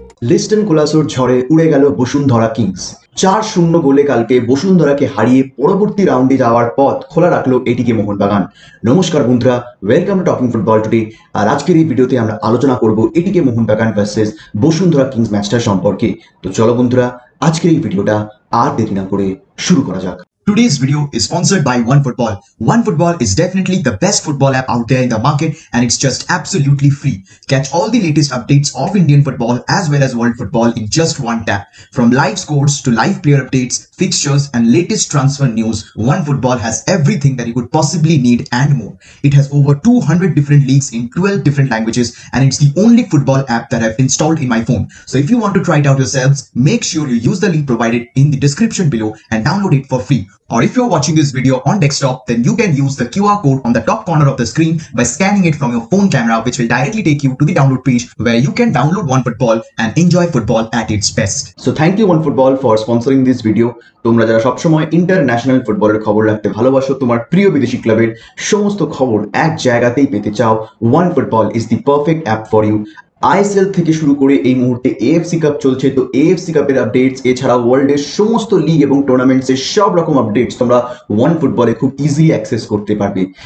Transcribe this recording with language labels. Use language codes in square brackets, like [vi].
[bn] Liston কোলাসোর ঝড়ে উড়ে গেল বসুন্ধরা কিংস। 4-0 গোলে কালকে বসুন্ধরাকে হারিয়ে পরবর্তী রাউন্ডে যাওয়ার পথ খোলা রাখলো এটিকে মোহনবাগান। নমস্কার বন্ধুরা, [en] Welcome to talking football today. [bn] আর আজকের এই ভিডিওতে আমরা আলোচনা করব এটিকে মোহনবাগান ভার্সেস বসুন্ধরা কিংস ম্যাচটা সম্পর্কে। তো চলো বন্ধুরা, আজকের এই ভিডিওটা আর দেরি না করে শুরু করা যাক। [en] Today's video is sponsored by One Football. One Football is definitely the best football app out there in the market, and it's just absolutely free. Catch all the latest updates of Indian football as well as world football in just one tap. From live scores to live player updates, fixtures and latest transfer news, One Football has everything that you could possibly need and more. It has over 200 different leagues in 12 different languages, and it's the only football app that I've installed in my phone. So if you want to try it out yourselves, make sure you use the link provided in the description below and download it for free. Or if you are watching this video on desktop, then you can use the QR code on the top corner of the screen by scanning it from your phone camera, which will directly take you to the download page where you can download One Football and enjoy football at its best. So thank you One Football for sponsoring this video. [bn] তোমরা যারা সবসময় international ফুটবলের খবর রাখতে ভালোবাসো, তোমার প্রিয় বিদেশি ক্লাবের সমস্ত খবর এক জায়গাতেই পেতে চাও, [en] One Football is the perfect app for you. [bn] ISL থেকে শুরু করে এই মুহূর্তে এএফসি কাপ চলছে, তো এএফসি কাপের আপডেটস এছাড়া ওয়ার্ল্ডের সমস্ত লিগ এবং টুর্নামেন্টসের সব রকম আপডেটস তোমরা ওয়ান ফুটবলে খুব ইজিলি অ্যাক্সেস করতে পারবে।